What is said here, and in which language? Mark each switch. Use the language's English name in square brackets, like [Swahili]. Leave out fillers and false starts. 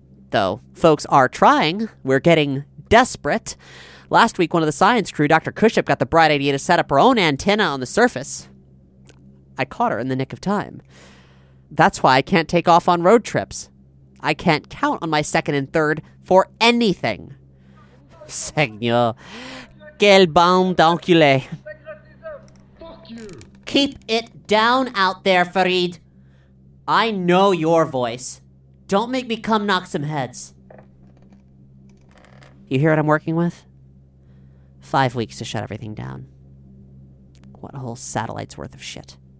[English] Though, folks are trying. We're getting desperate. Last week, one of the science crew, Dr. Kushup, got the bright idea to set up her own antenna on the surface. I caught her in the nick of time. That's why I can't take off on road trips. I can't count on my second and third for anything. [French] Seigneur, quel bande d'enculé. [English] Keep it down out there, Farid. I know your voice. Don't make me come knock some heads. You hear what I'm working with? 5 weeks to shut everything down. What a whole satellite's worth of shit.